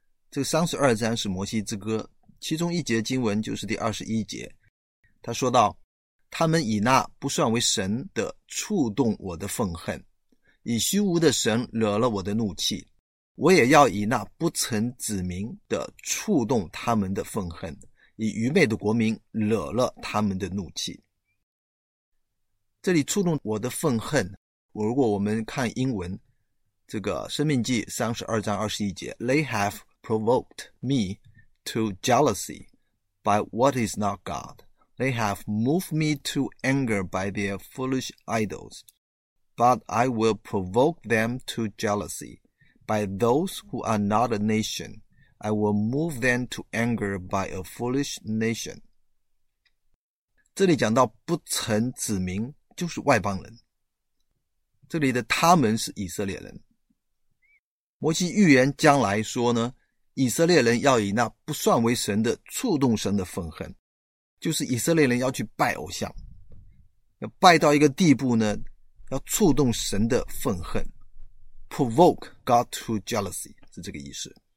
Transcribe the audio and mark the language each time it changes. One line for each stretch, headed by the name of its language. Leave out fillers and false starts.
Chinese: 这个32章是摩西之歌，其中一节经文就是第21节，他说到，他们以那不算为神的触动我的愤恨，以虚无的神惹了我的怒气，我也要以那不曾指明的触动他们的愤恨，以愚昧的国民惹了他们的怒气。这里触动我的愤恨，如果我们看英文，这个生命记32章21节
English: They have provoked me to jealousy by what is not God. They have moved me to anger by their foolish idols. But I will provoke them to jealousy by those who are not a nation. I will move them to anger by a foolish nation.
Chinese: 这里讲到不曾指明就是外邦人，这里的他们是以色列人。摩西预言将来说呢，以色列人要以那不算为神的触动神的愤恨，就是以色列人要去拜偶像，要拜到一个地步呢，要触动神的愤恨，
English: provoke God to jealousy
Chinese: 是这个意思。